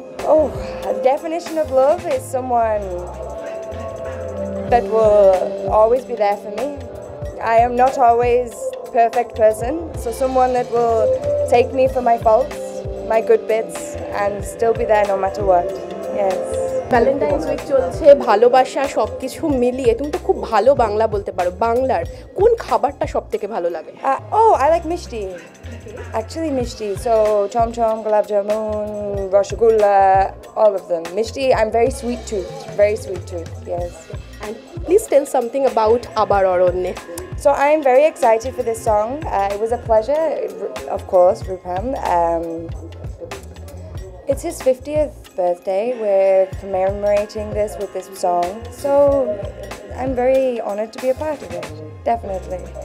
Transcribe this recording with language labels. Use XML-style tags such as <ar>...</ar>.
<en>Oh, a definition of love is someone that will always be there for me. I am not always a perfect person, so someone that will take me for my faults, my good bits, and still be there no matter what. Yes.</en> <bn>Valentine's week চলছে ভালোবাসা সব কিছু মিলিয়ে তুমি তো খুব ভালো বাংলা বলতে পারো বাংলার কোন খাবারটা সব থেকে ভালো লাগে</bn> <en>ও I like mishti actually mishti so chomchom gulab jamun rasgulla all of them mishti I am very sweet too yes and please tell something about Abar Aranye So I am very excited for this song. It was a pleasure, of course, Rupam. It's his 50th birthday. We're commemorating this with this song. So I'm very honored to be a part of it, definitely.</en>